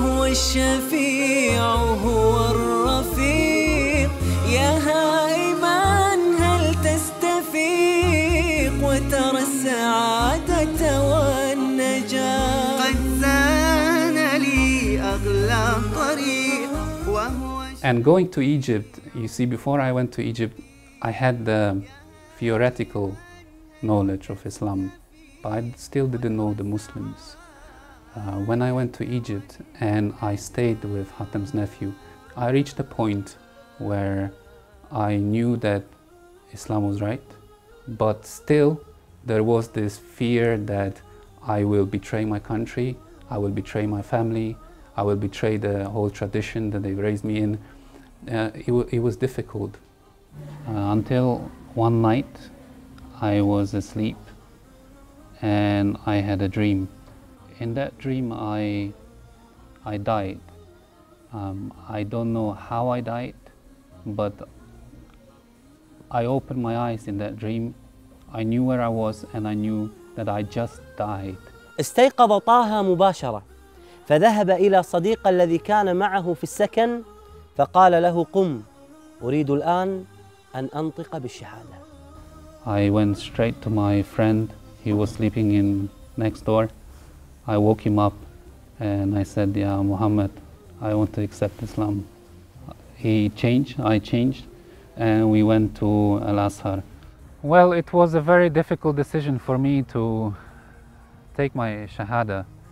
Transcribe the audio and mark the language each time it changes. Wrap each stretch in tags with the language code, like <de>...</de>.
<ar>الشفيع هو الرفيق يا هائما هل تستفيق وترى السعادة والنجاة قد زان لي أغلى طريق وهو</ar> <en>And going to Egypt, you see, before I went to Egypt, I had the theoretical knowledge of Islam, but I still didn't know the Muslims. When I went to Egypt and I stayed with Hatem's nephew, I reached a point where I knew that Islam was right, but still there was this fear that I will betray my country, I will betray my family, I will betray the whole tradition that they've raised me in. It was difficult. Until one night I was asleep and I had a dream. In that dream, I died. I don't know how I died, but I opened my eyes in that dream. I knew where I was and I knew that I just died.</en> <ar>استيقظ طه مباشرة فذهب إلى صديق الذي كان معه في السكن فقال له قم أريد الآن أن أنطق بالشهادة.</ar> <en>I went straight to my friend. He was sleeping in next door. I woke him up and I said, yeah, Muhammad, I want to accept Islam. He changed, I changed, and we went to Al-Azhar. Well, it was a very difficult decision for me to take my Shahada.</en>